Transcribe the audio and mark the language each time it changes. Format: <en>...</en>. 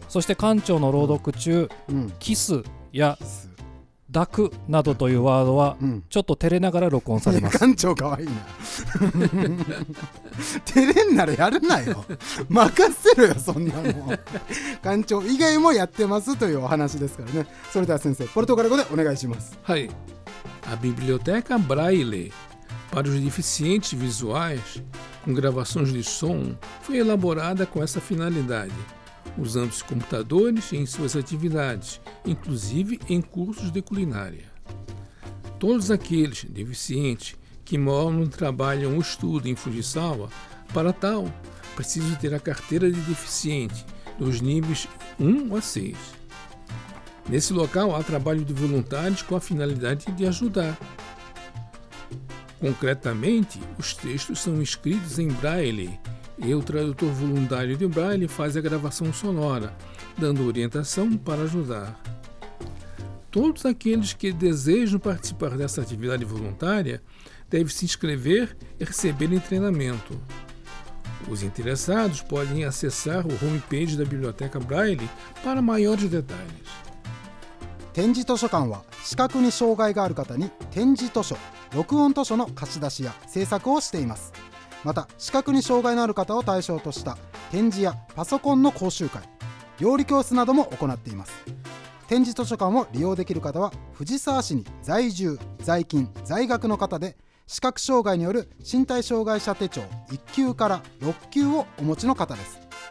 <ja>そして館長の朗読中、キスや抱くなどというワードはちょっと照れながら録音されます。館長かわいいな。照れんならやるなよ。任せろよそんなの。館長以外もやってますというお話ですからね。それでは先生、ポルトガル語でお願いします。はい。</ja> <pt>A biblioteca Braille para os deficientes visuais com gravações de som foi elaborada com essa finalidade, usando-se computadores em suas atividades, inclusive em cursos de culinária. Todos aqueles deficientes que moram, trabalham ou estudam em Fujisawa, para tal, precisam ter a carteira de deficiente dos níveis 1 a 6. Nesse local, há trabalho de voluntários com a finalidade de ajudar. Concretamente, os textos são escritos em Braille e o tradutor voluntário de Braille faz a gravação sonora, dando orientação para ajudar. Todos aqueles que desejam participar dessa atividade voluntária devem se inscrever e receber treinamento. Os interessados podem acessar o homepage da Biblioteca Braille para maiores detalhes.</pt> <ja>点字図書館は視覚に障害がある方に点字図書、録音図書の貸し出しや制作をしています。また視覚に障害のある方を対象とした点字やパソコンの講習会、料理教室なども行っています。点字図書館を利用できる方は藤沢市に在住、在勤、在学の方で、視覚障害による身体障害者手帳1級から6級をお持ちの方です。</ja>